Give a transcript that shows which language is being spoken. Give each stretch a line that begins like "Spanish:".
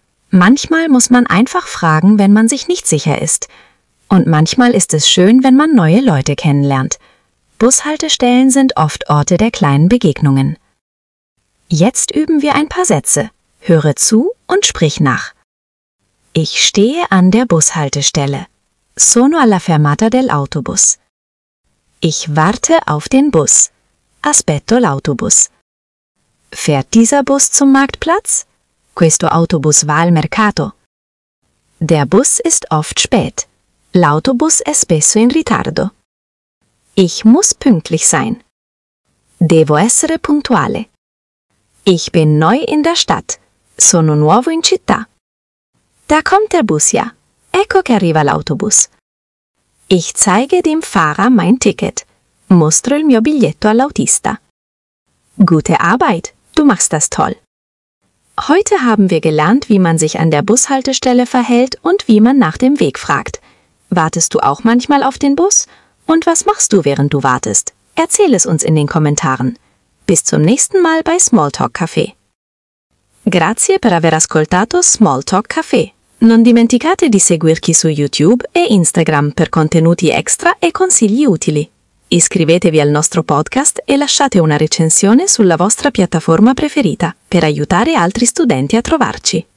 German: Manchmal muss man einfach fragen, wenn man sich nicht sicher ist. Und manchmal ist es schön, wenn man neue Leute kennenlernt. Bushaltestellen sind oft Orte der kleinen Begegnungen. Jetzt üben wir ein paar Sätze. Höre zu und sprich nach. Ich stehe an der Bushaltestelle.
Italian: Sono alla fermata dell'autobus.
German: Ich warte auf den Bus.
Italian: Aspetto l'autobus.
German: Fährt dieser Bus zum Marktplatz?
Italian: Questo autobus va al mercato.
German: Der Bus ist oft spät.
Italian: L'autobus è spesso in ritardo.
German: Ich muss pünktlich sein.
Italian: Devo essere puntuale.
German: Ich bin neu in der Stadt.
Italian: Sono nuovo in città.
German: Da kommt der Bus ja.
Italian: Ecco che arriva l'autobus.
German: Ich zeige dem Fahrer mein Ticket.
Italian: Mostro il mio biglietto all'autista.
German: Gute Arbeit. Du machst das toll. Heute haben wir gelernt, wie man sich an der Bushaltestelle verhält und wie man nach dem Weg fragt. Wartest du auch manchmal auf den Bus? Und was machst du, während du wartest? Erzähl es uns in den Kommentaren. Bis zum nächsten Mal bei Smalltalk Café.
Italian: Grazie per aver ascoltato Smalltalk Café. Non dimenticate di seguirci su YouTube e Instagram per contenuti extra e consigli utili. Iscrivetevi al nostro podcast e lasciate una recensione sulla vostra piattaforma preferita per aiutare altri studenti a trovarci.